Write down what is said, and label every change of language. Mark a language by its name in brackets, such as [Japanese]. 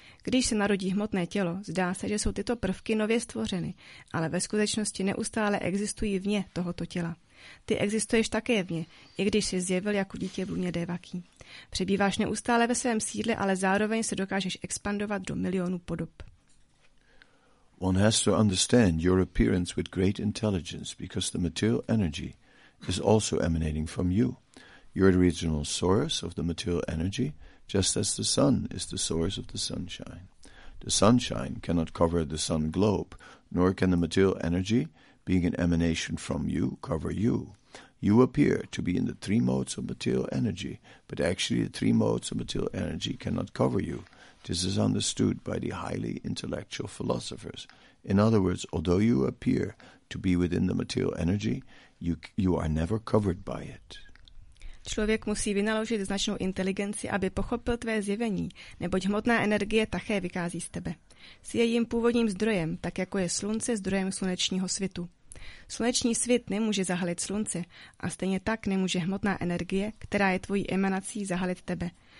[Czech] Když se narodí hmotné tělo, zdá se, že jsou tyto prvky nově stvořeny, ale ve skutečnosti neustále existují vně tohoto těla. Ty existuješ také vně, i když jsi zjevil jako dítě v luně Devaki. Přebýváš neustále ve svém sídle, ale zároveň se dokážeš expandovat do milionů podob. [English] One has to understand your appearance with great intelligence because the material energy is also emanating from you. You're the original source of the material energy, just as the sun is the source of the sunshine. The sunshine cannot cover the sun globe, nor can the material energy, being an emanation from you, cover you. You appear to be in the three modes of material energy, but actually the three modes of material energy cannot cover you. This is understood by the highly intellectual philosophers. In other words, although you appear to be within the material energy, you are never covered by it. [Czech] Člověk musí vynaložit značnou inteligenci, aby pochopil tvé zjevení, neboť hmotná energie také vychází z tebe. Jsi jejím původním zdrojem, tak jako je slunce zdrojem slunečního svitu. Sluneční svit nemůže zahalit slunce a stejně tak nemůže hmotná energie, která je tvojí emanací, zahalit tebe.